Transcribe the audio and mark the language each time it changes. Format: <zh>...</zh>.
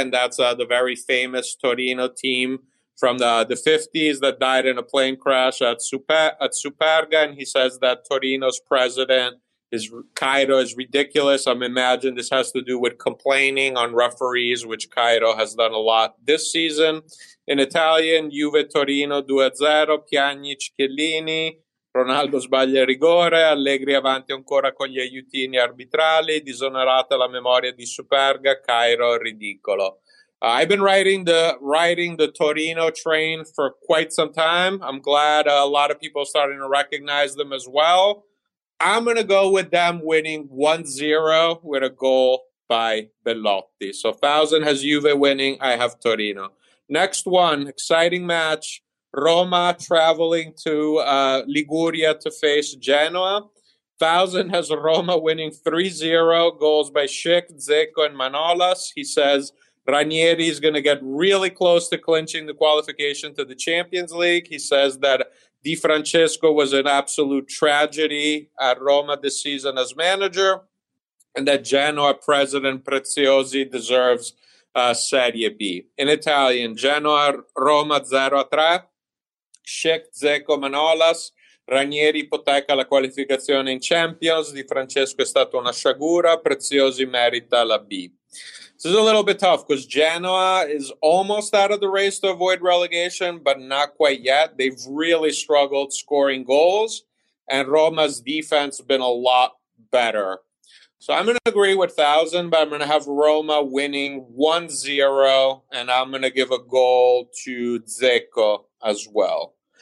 <en>And that's the very famous Torino team from the 50s that died in a plane crash at Superga. And he says that Torino's president, Cairo, is ridiculous. I imagine this has to do with complaining on referees, which Cairo has done a lot this season.</en> <it>In Italian, Juve Torino 2-0, Pjanic Chiellini, Ronaldo sbaglia il rigore, Allegri avanti ancora con gli aiutini arbitrali, disonorata la memoria di Superga, Cairo ridicolo.</it> <en>I've been riding the Torino train for quite some time. I'm glad a lot of people are starting to recognize them as well. I'm going to go with them winning 1-0 with a goal by Belotti. So Fausen has Juve winning, I have Torino. Next one, exciting match. Roma traveling to Liguria to face Genoa. Fausen has Roma winning 3-0, goals by Schick, Dzeko, and Manolas. He says Ranieri is going to get really close to clinching the qualification to the Champions League. He says that Di Francesco was an absolute tragedy at Roma this season as manager, and that Genoa president Preziosi deserves Serie B.</en> <it>In Italian, Genoa, Roma 0-3, Schick, Dzeko, Manolas, Ranieri ipoteca la qualificazione in Champions, Di Francesco è stata una sciagura, Preziosi merita la B.</it> <en>This is a little bit tough because Genoa is almost out of the race to avoid relegation, but not quite yet. They've really struggled scoring goals, and Roma's defense been a lot better. So I'm going to agree with Fausen, but I'm going to have Roma winning 1-0, and I'm going to give a goal to Dzeko as well.</en>